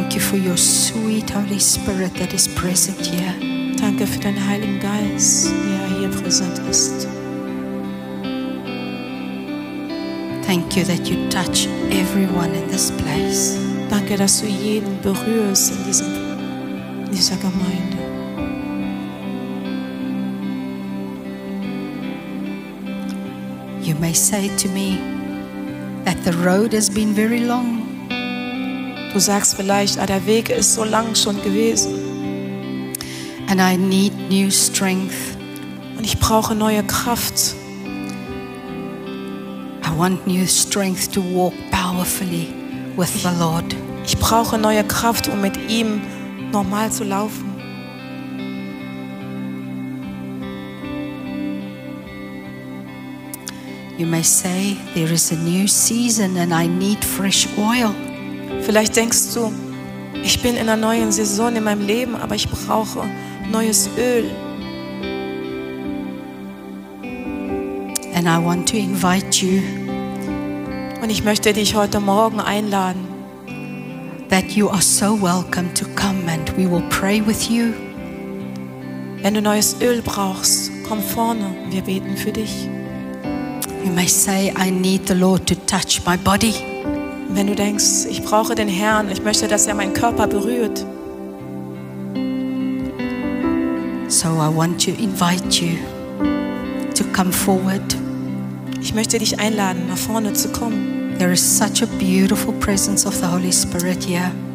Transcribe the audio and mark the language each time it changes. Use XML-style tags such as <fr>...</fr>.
<en>For your sweet Holy Spirit that is present here.</en> <de>Danke für deinen Heiligen Geist, der hier präsent ist.</de> <en>Thank you that you touch everyone in this place.</en> <de>Danke, dass du jeden berührst in dieser Gemeinde.</de> <en>You may say to me that the road has been very long.</en> <de>Du sagst vielleicht, der Weg ist so lang schon gewesen.</de> <en>And I need new strength.</en> <de>Und ich brauche neue Kraft.</de> <en>I want new strength to walk powerfully with the Lord.</en> <de>Ich brauche neue Kraft, um mit ihm normal zu laufen.</de> <en>You may say, there is a new season and I need fresh oil.</en> <de>Vielleicht denkst du, ich bin in einer neuen Saison in meinem Leben, aber ich brauche neues Öl.</de> <en>And I want to invite you.</en> <de>Und ich möchte dich heute Morgen einladen.</de> <en>That you are so welcome to come and we will pray with you.</en> <de>Wenn du neues Öl brauchst, komm vorne, wir beten für dich.</de> <en>You may say, I need the Lord to touch my body.</en> <de>Wenn du denkst, ich brauche den Herrn, ich möchte, dass er meinen Körper berührt.</de> <en>So I want to invite you to come forward.</en> <de>Ich möchte dich einladen, nach vorne zu kommen.</de> <en>There is such a beautiful presence of the Holy Spirit here.</en>